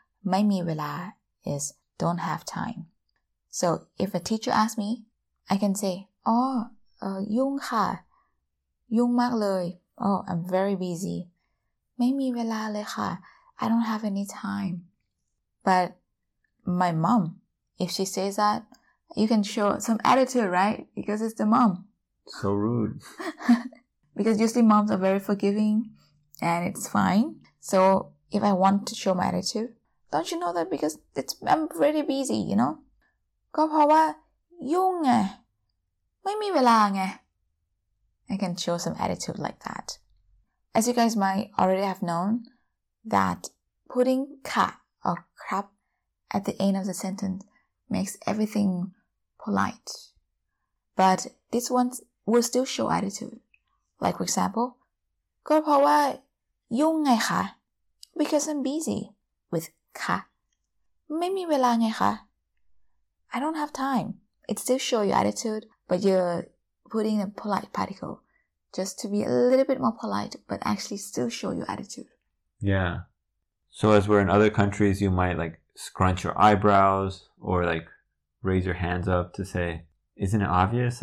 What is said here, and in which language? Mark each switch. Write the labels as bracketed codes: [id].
[th] ไม่มีเวลา [en] is don't have time. So if a teacher asks me, I can say, Oh, [th] ยุ่งค่ะยุ่งมากเลย [en] Oh, I'm very busy. [th] ไม่มีเวลาเลยค่ะ [en] I don't have any time. But my mom, if she says that,You can show some attitude, right? Because it's the mom. So rude. Because usually moms are very forgiving and it's fine. So if I want to show my attitude, don't you know that because I'm really busy, you know? [th] ก็เพราะว่ายุ่งไงไม่มีเวลาไง [en] I can show some attitude like that. As you guys might already have known, that putting ka or crap at the end of the sentence makes everythingpolite. But this one will still show attitude. Like, for example, [th] ก็เพราะว่ายุ่งไงคะ [en] Because I'm busy with [th] ค่ะ ไม่มีเวลาไงคะ [en] I don't have time. It still shows your attitude, but you're putting a polite particle just to be a little bit more polite, but actually still show your attitude. Yeah. So as we're in other countries, you might like scrunch your eyebrows or like,raise your hands up to say, isn't it obvious?